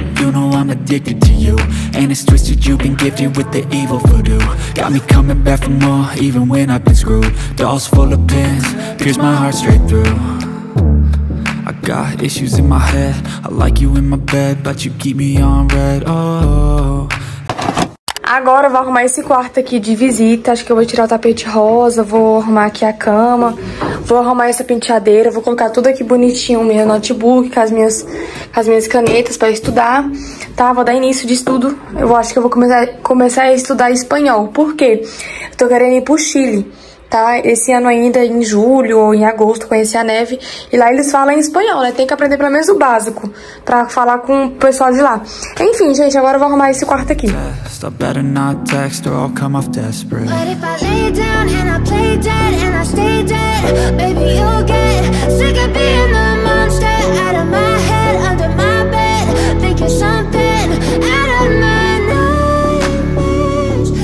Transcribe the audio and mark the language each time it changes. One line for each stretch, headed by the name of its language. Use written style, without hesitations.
English: You know I'm addicted to you. And it's twisted, you've been gifted with the evil voodoo. Got me coming back for more, even when I've been screwed. Dolls full of pins, pierce my heart straight through. I got issues in my head. I like you in my bed, but you keep me on red. Oh.
Portuguese: Agora eu vou arrumar esse quarto aqui de visita. Acho que eu vou tirar o tapete rosa, vou arrumar aqui a cama, vou arrumar essa penteadeira, vou colocar tudo aqui bonitinho, meu notebook com as minhas canetas pra estudar, tá? Vou dar início de estudo. Eu acho que eu vou começar a estudar espanhol. Por quê? Eu tô querendo ir pro Chile, tá? Esse ano ainda, em julho ou em agosto, conhecer a neve. E lá eles falam em espanhol, né? Tem que aprender pelo menos o básico pra falar com o pessoal de lá. Enfim, gente, agora eu vou arrumar esse quarto aqui.
English: I better not text or I'll come off desperate. But if I lay down and I play dead and I stay dead, maybe you'll get sick of being the monster. Out of my head, under my bed, thinking something out of my nightmares.